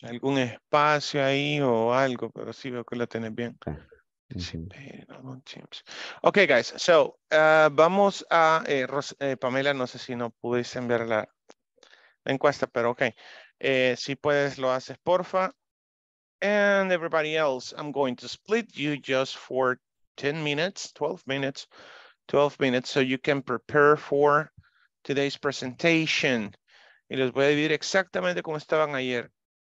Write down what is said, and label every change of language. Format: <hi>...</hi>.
<es>algún espacio ahí o algo, pero sí veo que lo tenés bien. Mm-hmm.</es> <en>Ok, guys, so</en> <es>vamos a Pamela, no sé si no pudiste enviar la encuesta, pero ok, si puedes lo haces, porfa.</es> <en>And everybody else, I'm going to split you just for 12 minutes, so you can prepare for today's presentation.</en> <es>Y los voy a dividir exactamente como estaban ayer.</es>